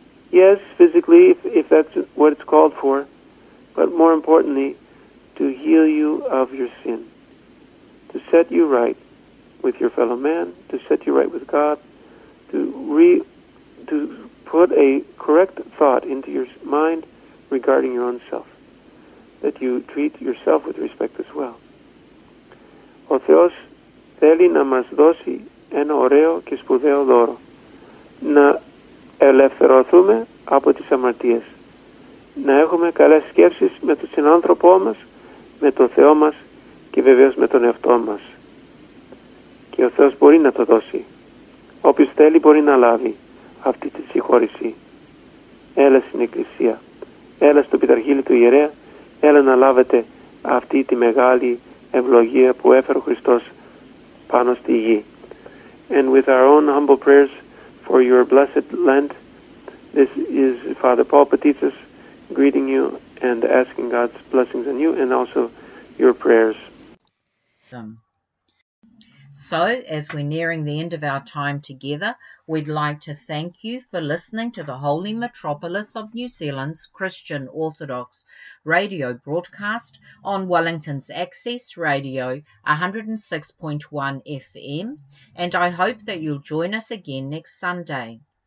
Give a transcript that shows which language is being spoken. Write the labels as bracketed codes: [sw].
[en] Yes, physically, if that's what it's called for, but more importantly, to heal you of your sin, to set you right with your fellow man, to set you right with God, to put a correct thought into your mind regarding your own self, that you treat yourself with respect as well. [el] Ο Θεός θέλει να μας δώσει ένα ωραίο και σπουδαίο δώρο, να ελευθερωθούμε από τις αμαρτίες, να έχουμε καλές σκέψεις με τον συνάνθρωπό μας, με τον Θεό μας και βεβαίως με τον εαυτό μας. Και ο Θεός μπορεί να το δώσει. Όποιος θέλει μπορεί να λάβει αυτή τη συγχώρηση. Έλα στην Εκκλησία, έλα στο Πειταρχείλιο του Ιερέα, έλα να λάβετε αυτή τη μεγάλη ευλογία που έφερε ο Χριστός πάνω στη γη. [en] And with our own humble prayers for your blessed Lent, This is Father Paul Petitsis greeting you and asking God's blessings on you and also your prayers. So, as we're nearing the end of our time together, we'd like to thank you for listening to the Holy Metropolis of New Zealand's Christian Orthodox radio broadcast on Wellington's Access Radio 106.1 FM, and I hope that you'll join us again next Sunday.